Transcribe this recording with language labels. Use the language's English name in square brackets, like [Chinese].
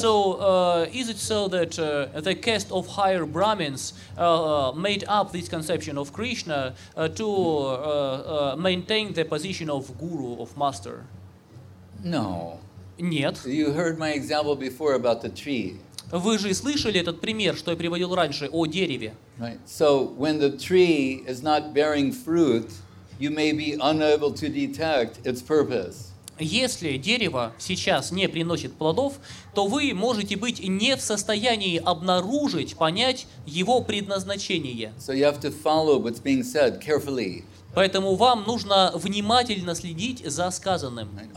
[English] So is it so that the caste of higher Brahmins made up this conception of Krishna to maintain the position of guru, of master? No. [Russian] Нет. [English] You heard my example before about the tree. [Russian] Вы же слышали этот пример, что я приводил раньше, о дереве. [English] Right. So when the tree is not bearing fruit, you may be unable to detect its purpose. [Russian] Если дерево сейчас не приносит плодов, то вы можете быть не в состоянии обнаружить, понять его предназначение. [English] So you have to follow what's being said carefully. [Russian] Поэтому вам нужно внимательно следить за сказанным.